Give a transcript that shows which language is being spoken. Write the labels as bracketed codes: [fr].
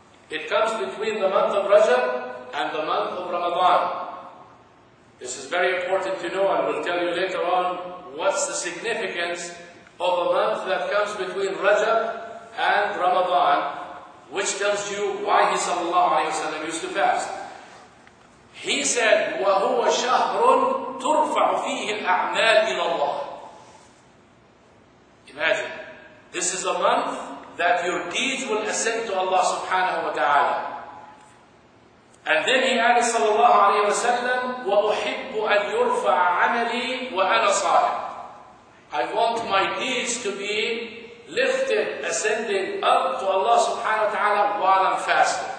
[en] It comes between the month of Rajab and the month of Ramadan. This is very important to know, and we'll tell you later on what's the significance of a month that comes between Rajab and Ramadan, which tells you why he sallallahu alayhi wa sallam used to fast. He said, [ar] وَهُوَ شَهْرٌ تُرْفَعُ فِيهِ الْأَعْمَالِ إِلَى اللَّهِ. [en] Imagine, this is a month that your deeds will ascend to Allah subhanahu wa ta'ala. And then he added sallallahu alayhi wa sallam, [ar] وَأُحِبُّ أَنْ يُرْفَعَ عَمَلِي وَأَنَا صَالِحٌ. [en] I want my deeds to be lifted, ascending up to Allah subhanahu wa ta'ala while I'm fasting.